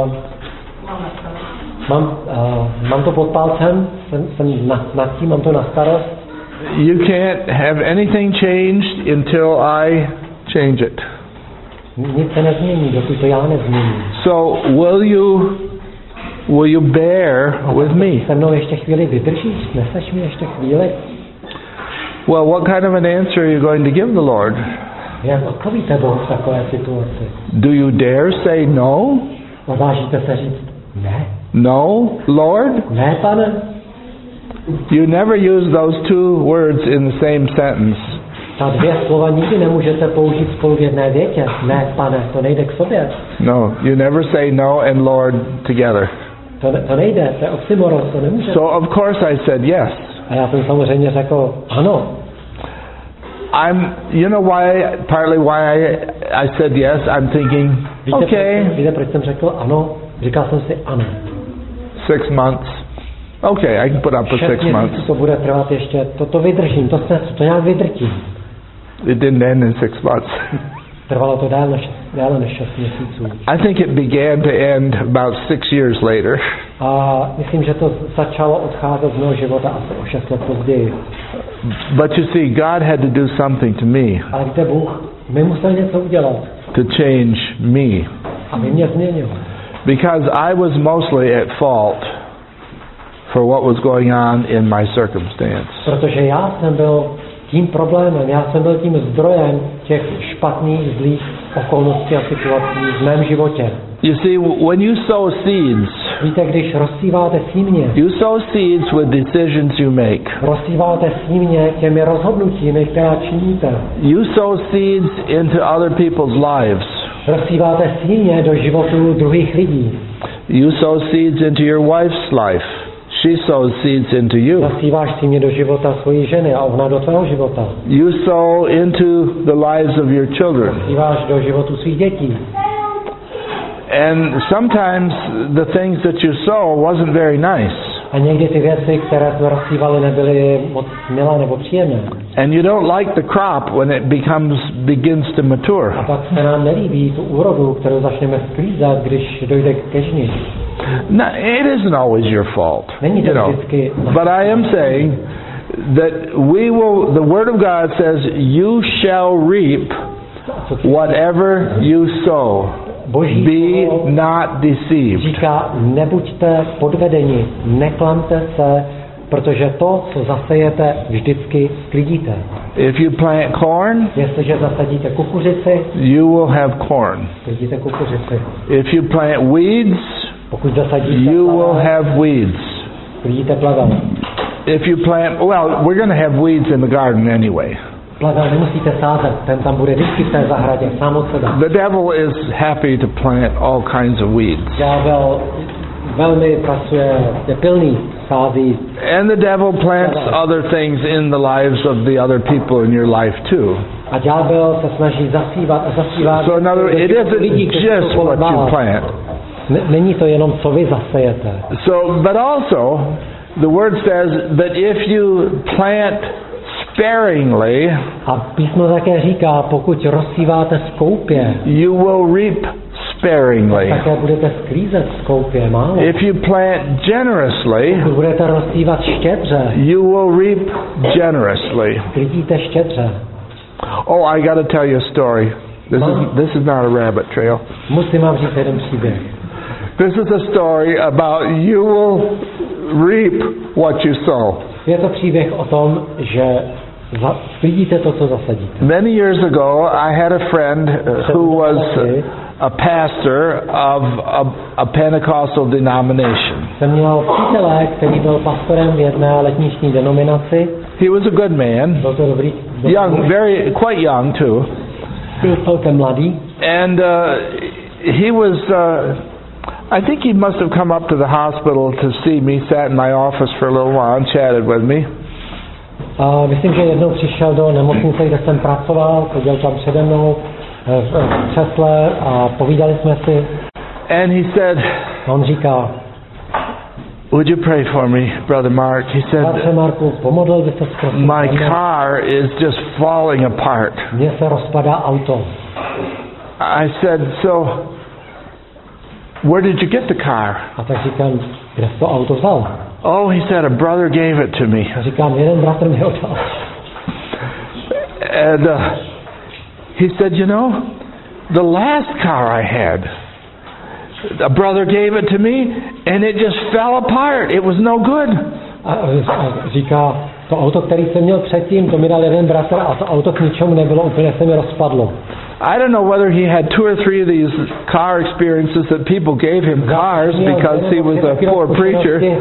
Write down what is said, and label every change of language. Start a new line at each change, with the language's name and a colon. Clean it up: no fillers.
Czech: Já mám to pod palcem, jsem nad tím, mám to na starost.
English: You can't have anything changed until I change it.
Czech: Nic se nezmění, dokud to já nezmění.
English: So will you bear with me?
Czech: Se mnou ještě chvíli vydržíš? Neseš mi ještě chvíli?
English: Well, what kind of an answer are you going to give the Lord?
Czech: Jak odpovíte Bohu v takové situaci?
English: Do you dare say no?
Czech: Odvážíte se říct ne?
English: No, Lord?
Czech: Ne, pane.
English: You never use those two words in the same sentence.
Czech: Ta dvě slova nikdy nemůžete použít spolu v jedné větě. Ne, pane, to nejde k sobě.
English: No, you never say no and Lord together.
Czech: To nejde, to je oxymoron, to nemůžete.
English: So of course I said yes.
Czech: A já jsem samozřejmě řekl ano.
English: I'm, you know why, partly why I said yes, I'm thinking,
Czech: víte,
English: okay.
Czech: Víte, proč jsem řekl ano? Říkal jsem si ano.
English: 6 months. Okay, I can put up for 6 months.
Czech: To bude trvat ještě, to vydržím, to nějak vydrtím.
English: It didn't end in 6 months.
Czech: Trvalo to déle než 6 měsíců.
English: I think it began to end about 6 years later.
Czech: A myslím, že to začalo odcházet z mého života asi o 6 let později.
English: But you see, God had to do something to me.
Czech: Ale víte, Bůh mi musel něco udělat.
English: To change me.
Czech: Aby mě změnil.
English: Because I was mostly at fault for what was going on in my circumstance.
Czech: Protože já jsem byl tím problémem, já jsem byl tím zdrojem těch špatných, zlých okolností a situací v mém životě.
English: You see, when you sow seeds,
Czech: víte, když rozsíváte símě,
English: you sow seeds with decisions you make.
Czech: Rozsíváte símě těmi rozhodnutími, která činíte.
English: You sow seeds into other people's lives.
Czech: Rozsíváte símě do životů druhých lidí.
English: You sow seeds into your wife's life. She sows seeds into you.
Czech: Zasíváš tím do života svojí ženy a ona do tvého života.
English: You sow into the lives of your children.
Czech: Zasíváš do životu svých dětí.
English: And sometimes the things that you sow wasn't very nice.
Czech: A někdy ty věci, které jsme rozsívali, nebyly moc milé nebo příjemné.
English: And you don't like the crop when it begins to mature.
Czech: A pak se nám nelíbí tu úrodu, kterou začneme sklízet, když dojde ke žni.
English: No, it isn't always your fault.
Czech: Není to
English: you
Czech: vždycky.
English: But I am saying that we will, the word of God says, you shall reap whatever you sow.
Czech: Boží
English: be not deceived.
Czech: Říká, nebuďte podvedeni, neklamte se, protože to, co zasejete, vždycky sklidíte.
English: If you plant corn,
Czech: jestliže zasadíte kukuřici,
English: you will have corn.
Czech: Sklidíte kukuřici.
English: If you plant weeds,
Czech: pokud zasadíte plavé,
English: you will have weeds.
Czech: Sklidíte plavé.
English: If you plant, well, we're going to have weeds in the garden anyway.
Czech: Plavel nemusíte sázet, ten tam bude vždycky v té zahradě, sám od sebe.
English: The devil is happy to plant all kinds of weeds.
Czech: Ďábel velmi pracuje, je pilný, sází.
English: And the devil plants other things in the lives of the other people in your life too.
Czech: A ďábel se snaží zasívat a zasívat.
English: So another, it isn't just what you plant.
Czech: Není to jenom, co vy zasejete.
English: So, but also, the word says that if you plant sparingly,
Czech: a písmo také říká, pokud rozsíváte skoupě,
English: you will reap sparingly.
Czech: Tak také budete sklízet skoupě, málo.
English: If you plant generously,
Czech: pokud budete rozsívat štědře,
English: you will reap generously.
Czech: Sklízíte štědře.
English: Oh, I gotta tell you a story. This is not a rabbit trail.
Czech: Musím vám říct jeden příběh.
English: This is a story about you will reap what you sow.
Czech: Je to příběh o tom, že sklidíte to, co zasadíte.
English: Many years ago, I had a friend who was a pastor of a Pentecostal denomination.
Czech: Jsem měl přítele, který byl pastorem jedné letniční denominaci.
English: He was a good man.
Czech: Byl to dobrý.
English: Young, very, quite young too.
Czech: Byl celkem mladý.
English: And he was. I think he must have come up to the hospital to see me, sat in my office for a little while and chatted with me.
Czech: Myslím, že jednou přišel do nemocnice, kde jsem pracoval, seděl tam přede mnou v křesle a povídali jsme si.
English: And he said,
Czech: on říká,
English: would you pray for me, Brother Mark? He said,
Czech: Bratře Marku, pomodlil byste se prosím?
English: My car is just falling apart.
Czech: Mně se rozpadá auto.
English: I said, so, where did you get the car?
Czech: A tak říkám, kde jsi to auto vzal?
English: Oh, he said, a brother gave it to me.
Czech: A říkám, jeden bratr mi ho dal.
English: And he said, you know, the last car I had, a brother gave it to me, and it just fell apart. It was no good.
Czech: A říká, to auto, který jsem měl předtím, to mi dal jeden bratr, a to auto k ničemu nebylo, úplně se mi rozpadlo.
English: I don't know whether he had two or three of these car experiences that people gave him cars because he was a poor preacher.